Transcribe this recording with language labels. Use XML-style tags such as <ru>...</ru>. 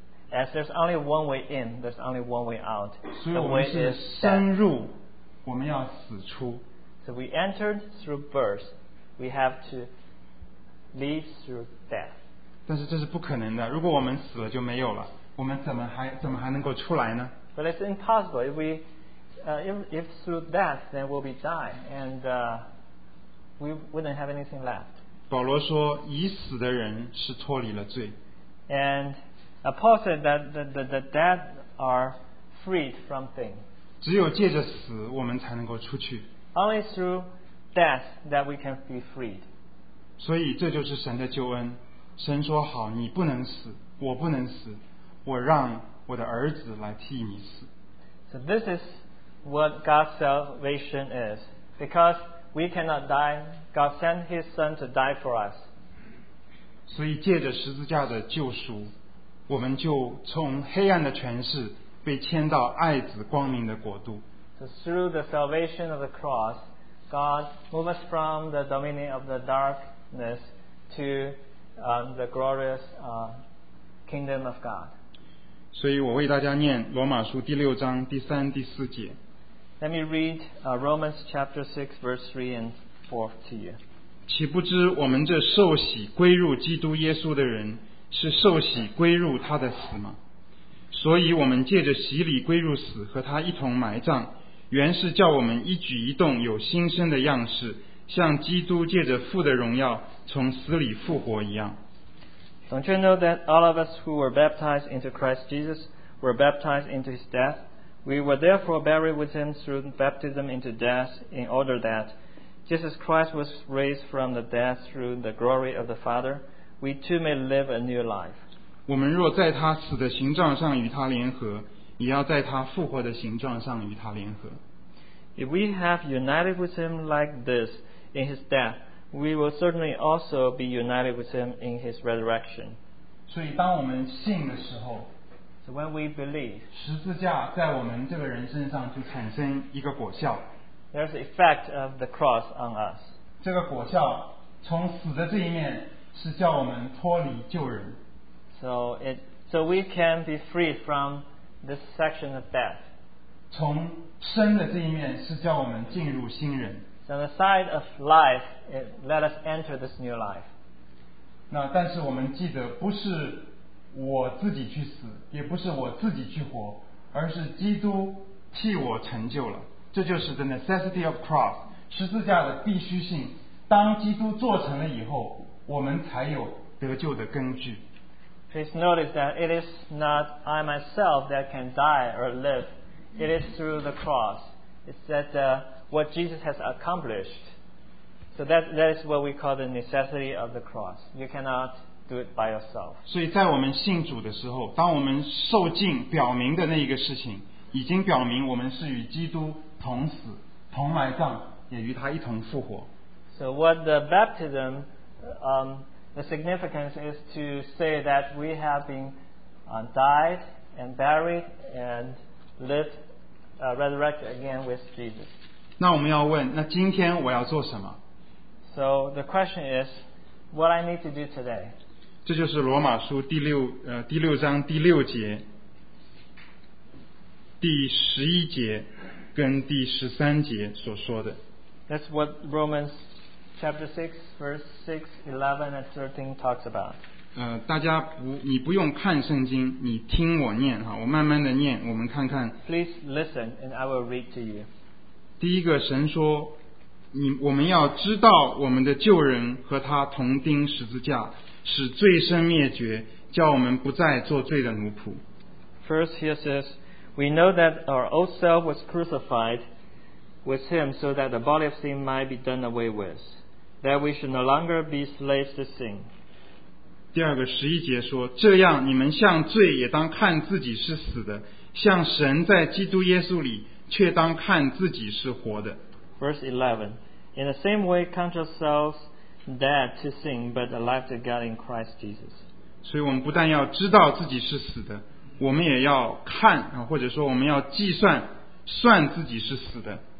<en>As there's only one way in, there's only one way out. So we are</en> <zh>生入，我们要死出。</zh> <en>So we entered through birth, we have to leave through death.</en> <zh>但是这是不可能的。如果我们死了就没有了，我们怎么还能够出来呢？</zh> <en>But it's impossible. If through death, then we'll be die, and we wouldn't have anything left.</en> <zh>保罗说，已死的人是脱离了罪。</zh> <en>And Paul said that the dead are freed from things.</en> <zh>只有借着死，我们才能够出去。</zh> <en>Only through death that we can be freed.</en> <zh>所以这就是神的救恩。神说好，你不能死，我不能死，我让我的儿子来替你死。</zh> <en>So this is what God's salvation is. Because we cannot die, God sent His Son to die for us.</en> <zh>所以借着十字架的救赎。我们就从黑暗的权势被迁到爱子光明的国度。</zh> <en>So through the salvation of the cross, God moved us from the dominion of the darkness to the glorious kingdom of God.</en> <zh>所以我为大家念罗马书第六章第三第四节。</zh> <en>Let me read Romans chapter 6 verse 3 and 4 to you.</en> <zh>岂不知我们这受洗归入基督耶稣的人是受洗归入他的死吗？所以我们借着洗礼归入死，和他一同埋葬，原是叫我们一举一动有新生的样式，像基督借着父的荣耀从死里复活一样。</zh> <en>Don't you know that all of us who were baptized into Christ Jesus were baptized into his death? We were therefore buried with him through baptism into death, in order that Jesus Christ was raised from the dead through the glory of the Father, we too may live a new life.</en> <zh>我们若在他死的形状上与他联合，也要在他复活的形状上与他联合。</zh> <en>If we have united with him like this in his death, we will certainly also be united with him in his resurrection.</en> <zh>所以当我们信的时候，</zh> <en>So when we believe,</en> <zh>十字架在我们这个人身上就产生一个果效。</zh> <en>There's the effect of the cross on us.</en> <zh>这个果效从死的这一面是叫我们脱离旧人。</zh> <en>So we can be free from this section of death.</en> <zh>从生的这一面是叫我们进入新人。</zh> <en>So the side of life, it let us enter this new life.</en> <zh>那但是我们记得，不是我自己去死，也不是我自己去活，而是基督替我成就了。这就是</zh> <en>the necessity of cross,</en> <zh>十字架的必须性。当基督做成了以后，我们才有得救的根据。</zh> <en>Please notice that it is not I myself that can die or live. It is through the cross. It's that what Jesus has accomplished. So that is what we call the necessity of the cross. You cannot do it by yourself.</en> <zh>所以在我们信主的时候，当我们受浸表明的那一个事情，已经表明我们是与基督同死、同埋葬，也与他一同复活。</zh> <en>So what the baptism the significance is to say that we have been died and buried and lived, resurrected again with Jesus.</en> <zh>那我们要问，那今天我要做什么？</zh> <en>So the question is, what I need to do today?</en> <zh>这就是罗马书第六第六章第六节、第十一节跟第十三节所说的。</zh> <en>That's what Romans chapter 6, verse 6, 11, and 13 talks about.</en> <zh>大家不，你不用看圣经，你听我念哈，我慢慢的念，我们看看。</zh> <en>Please listen, and I will read to you.</en> <zh>第一个，神说，我们要知道我们的旧人和他同钉十字架，使罪身灭绝，叫我们不再做罪的奴仆。</zh> <en>First, here says, we know that our old self was crucified with him so that the body of sin might be done away with. That we should no longer be slaves to sin.</en> <zh>第二个十一节说，这样你们向罪也当看自己是死的，向神在基督耶稣里却当看自己是活的。</zh> <en>Verse 11, in the same way count yourselves dead to sin, but alive to God in Christ Jesus.</en> <zh>所以我们不但要知道自己是死的，我们也要看，或者说我们要计算，算自己是死的。</zh>